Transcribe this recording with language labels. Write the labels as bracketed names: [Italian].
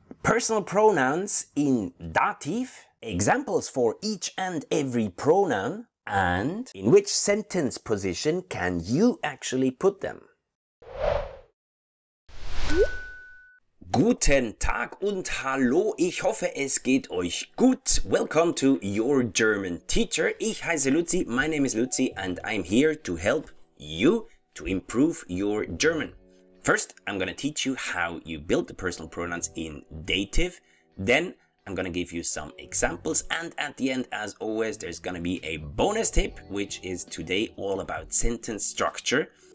[English] Personal pronouns in Dativ, examples for each and every pronoun, and in which sentence position can you actually put them? [German] Guten Tag und hallo, ich hoffe es geht euch gut. [English] Welcome to Your German Teacher. [German] Ich heiße Luzi, [English] my name is Luzi, and I'm here to help you to improve your German. First, I'm gonna teach you how you build the personal pronouns in Dativ. Then, I'm gonna give you some examples. And at the end, as always, there's gonna be a bonus tip, which is today all about sentence structure.